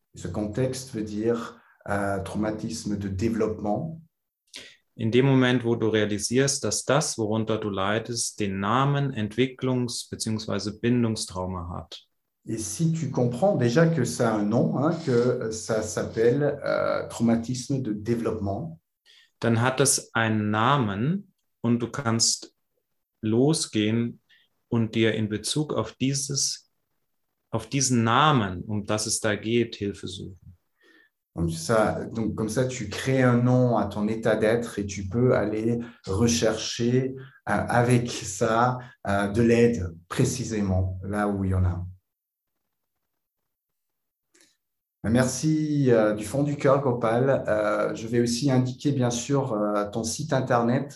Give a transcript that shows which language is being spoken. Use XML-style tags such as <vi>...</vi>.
<fr>Ce contexte veut dire traumatisme de développement.</fr> <de>In dem Moment, wo du realisierst, dass das, worunter du leidest, den Namen Entwicklungs- bzw. Bindungstrauma hat.</de> <fr>Et si tu comprends déjà que ça a un nom, hein, que ça s'appelle traumatisme de développement,</fr> <de>dann hat es einen Namen und du kannst losgehen und dir in Bezug auf dieses, auf diesen Namen, um das es da geht, Hilfe suchen.</de> <fr>Donc comme ça, tu crées un nom à ton état d'être et tu peux aller rechercher avec ça de l'aide, précisément, là où il y en a. Merci du fond du cœur, Gopal. Je vais aussi indiquer, bien sûr, ton site internet.</fr>